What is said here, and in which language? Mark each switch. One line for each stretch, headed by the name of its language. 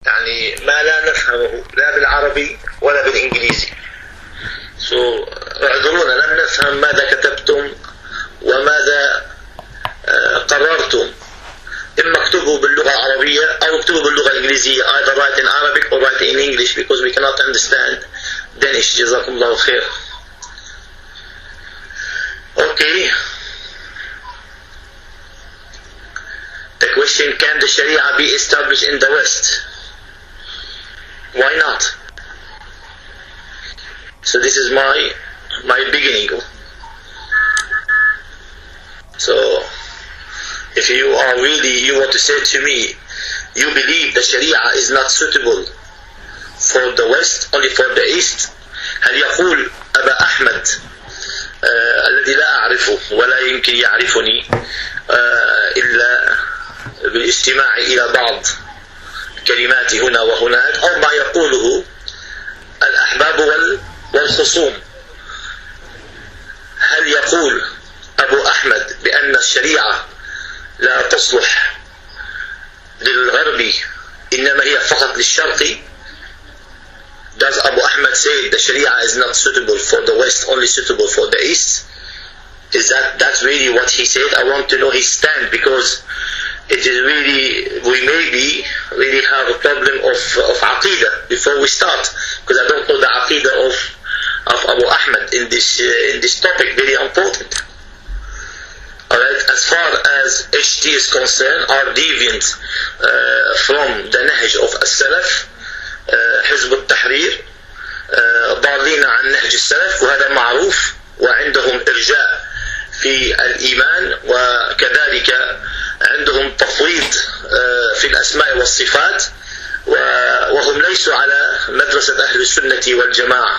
Arabic: ما لا نفهمه لا بالعربي ولا بالإنجليزي. سو اعذرونا لم نفهم ماذا كتبتم وماذا قررتم. إما اكتبوا باللغة العربية أو اكتبوا باللغة الإنجليزية.
English: Either write in Arabic or write in English because we cannot understand Danish.
Arabic: جزاكم الله خير.
English: Okay. The question: Can the Sharia be established in the West? Why not? So this is my beginning. So if you are really, you want to say to me, you believe the Sharia is not suitable for the West, only for the East.
Arabic: هل يقول أبا أحمد الذي لا أعرفه ولا يمكن يعرفني إلا بالاستماع إلى بعض كلماتي هنا وهناك، أو ما يقوله الأحباب والخصوم، هل يقول أبو أحمد بأن الشريعة لا تصلح للغربي إنما هي فقط للشرقي؟
English: Does Abu Ahmad say the Sharia is not suitable for the West, only suitable for the East? Is that's really what he said? I want to know his stand, because it is really, we maybe really have a problem of Aqidah before we start, because I don't know the Aqidah of Abu Ahmad in this topic, very important. Alright, as far as HT is concerned, are deviant from the Nahj of As-Salaf,
Arabic: حزب التحرير ضالين عن نهج السلف، وهذا معروف، وعندهم إرجاء في الإيمان، وكذلك عندهم تفويض في الأسماء والصفات، وهم ليسوا على مدرسة أهل السنة والجماعة.